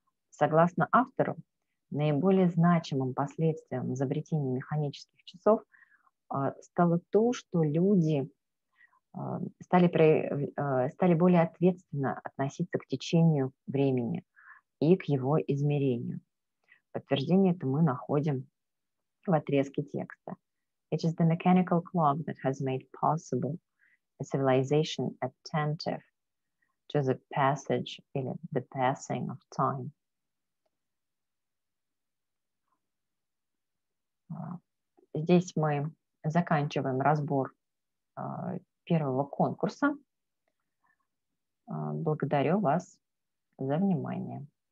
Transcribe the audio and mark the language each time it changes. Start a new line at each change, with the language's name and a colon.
Russian: Согласно автору, наиболее значимым последствием изобретения механических часов стало то, что люди стали более ответственно относиться к течению времени и к его измерению. Подтверждение этому мы находим в отрезке текста.
English: It is the mechanical clock that has made possible a civilization attentive to the passage in the passing of time.
Russian: Здесь мы заканчиваем разбор первого конкурса. Благодарю вас за внимание.